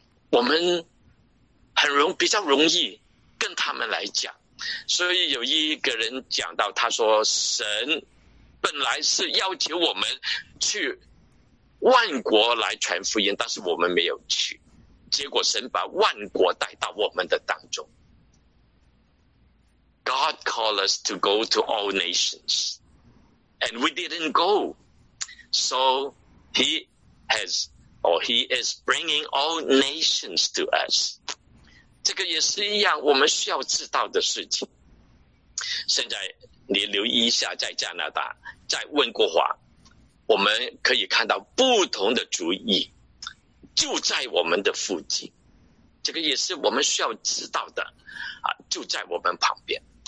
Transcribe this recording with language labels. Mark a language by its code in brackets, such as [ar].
[zh] 我们比较容易跟他们来讲，所以有一个人讲到，他说神本来是要求我们去万国来传福音，但是我们没有去，结果神把万国带到我们的当中。 [en] God called us to go to all nations and we didn't go, so he is bringing all nations to us. [zh] 这个也是一样我们需要知道的事情。现在你留意一下，在加拿大，在温哥华，我们可以看到不同的族裔就在我们的附近，这个也是我们需要知道的啊，就在我们旁边。